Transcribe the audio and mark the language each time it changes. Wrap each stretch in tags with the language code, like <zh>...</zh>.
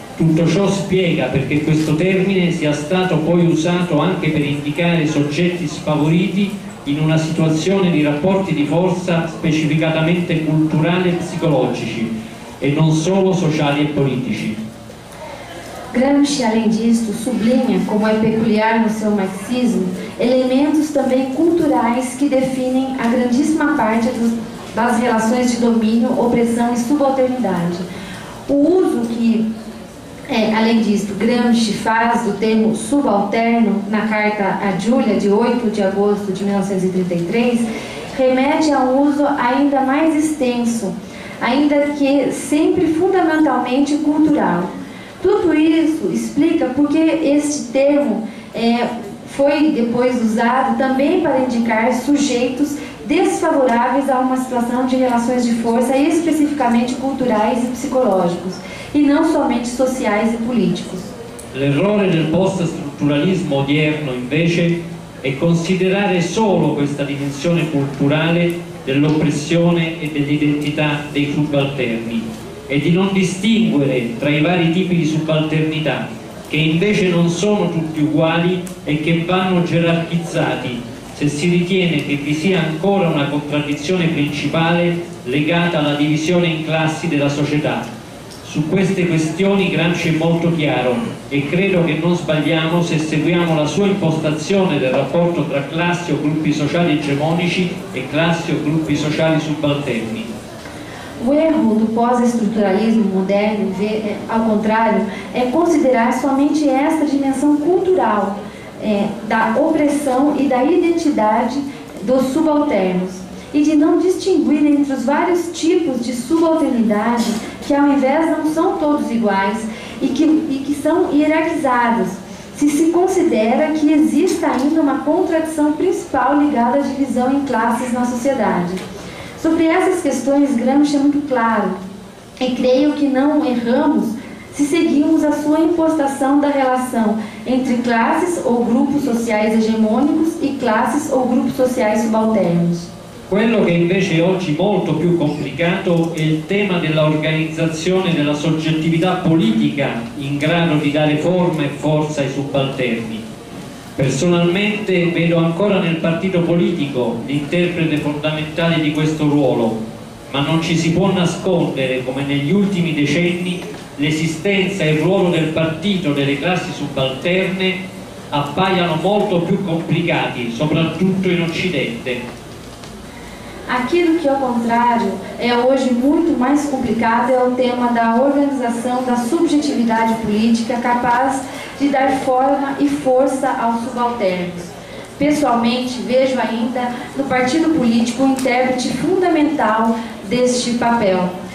<it>Tutto ciò spiega perché questo termine sia stato poi usato anche per indicare soggetti sfavoriti in una situazione di rapporti di forza specificatamente culturali e psicologici, e non solo sociali e politici.</it> <pt>Gramsci, além disso, sublinha, como é peculiar no seu marxismo, elementos também culturais que definem a grandíssima parte das relações de domínio, opressão e subalternidade. O uso que, além disso, Gramsci faz do termo subalterno na carta a Giulia, de 8 de agosto de 1933, remete a um uso ainda mais extenso, ainda que sempre fundamentalmente cultural. Tudo isso explica porque este termo foi depois usado também para indicar sujeitos desfavoráveis a uma situação de relações de força especificamente culturais e psicológicos, e não somente sociais e políticos.</pt> <it>L'errore del post-strutturalismo odierno, invece, è considerare solo questa dimensione culturale dell'oppressione e dell'identità dei subalterni, e di non distinguere tra i vari tipi di subalternità, che invece non sono tutti uguali e che vanno gerarchizzati, se si ritiene che vi sia ancora una contraddizione principale legata alla divisione in classi della società. Su queste questioni Gramsci è molto chiaro e credo che non sbagliamo se seguiamo la sua impostazione del rapporto tra classi o gruppi sociali egemonici e classi o gruppi sociali subalterni.</it> <pt>O erro do pós-estruturalismo moderno, ao contrário, é considerar somente esta dimensão cultural da opressão e da identidade dos subalternos, e de não distinguir entre os vários tipos de subalternidade que, ao invés, não são todos iguais e que são hierarquizados, se se considera que exista ainda uma contradição principal ligada à divisão em classes na sociedade. Sobre essas questões, Gramsci é muito claro, e creio que não erramos se seguimos a sua impostação da relação entre classes ou grupos sociais hegemônicos e classes ou grupos sociais subalternos.</pt> <it>Quello che invece è oggi molto più complicato è il tema dell'organizzazione della soggettività politica in grado di dare forma e forza ai subalterni. Personalmente vedo ancora nel partito politico l'interprete fondamentale di questo ruolo, ma non ci si può nascondere come negli ultimi decenni l'esistenza e il ruolo del partito delle classi subalterne appaiano molto più complicati, soprattutto in Occidente.</it> <pt>Aquilo que, ao contrário, é hoje muito mais complicado é o tema da organização da subjetividade política capaz de dar forma e força aos subalternos. Pessoalmente, vejo ainda no partido político um intérprete fundamental deste papel.</pt>